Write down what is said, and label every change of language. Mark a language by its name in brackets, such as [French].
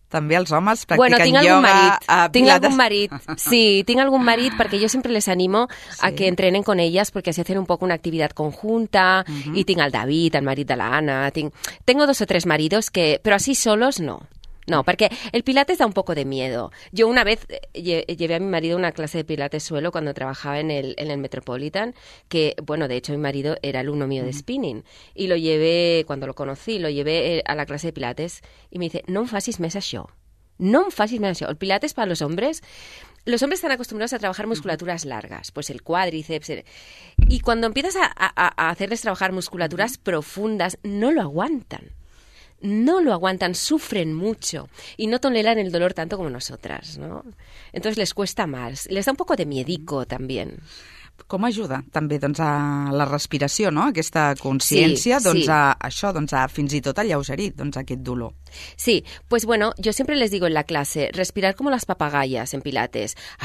[Catalan] També els homes practiquen ioga? Bueno, tinc algun marit. Sí, tinc algun marit perquè jo sempre les animo a que entrenen con elles perquè se hacen un poc una activitat conjunta i tinc el David, el marit de l'Anna. [Spanish] Tengo dos o tres maridos que... [Catalan] Però així [Spanish] solos, no. No, porque el pilates da un poco de miedo. Yo una vez llevé a mi marido a una clase de pilates suelo cuando trabajaba en el Metropolitan, que, bueno, de hecho mi marido era alumno mío de spinning, y lo llevé, cuando lo conocí, lo llevé a la clase de pilates, y me dice, [Catalan] non facis més això, [Spanish] non facis més això. El pilates para los hombres están acostumbrados a trabajar musculaturas largas, pues el cuádriceps, y cuando empiezas a hacerles trabajar musculaturas profundas, no lo aguantan. No lo aguantan, sufren mucho y no toleran el dolor tanto como nosotras, ¿no? Entonces les cuesta más, les da un poco de miedico también. [Catalan] Com ajuda també doncs, a la respiració, no? Aquesta consciència, a això, a fins i tot a lleugerir aquest dolor. [Spanish] Sí, pues bueno, yo siempre les digo en la clase, respirar como las papagayas en pilates.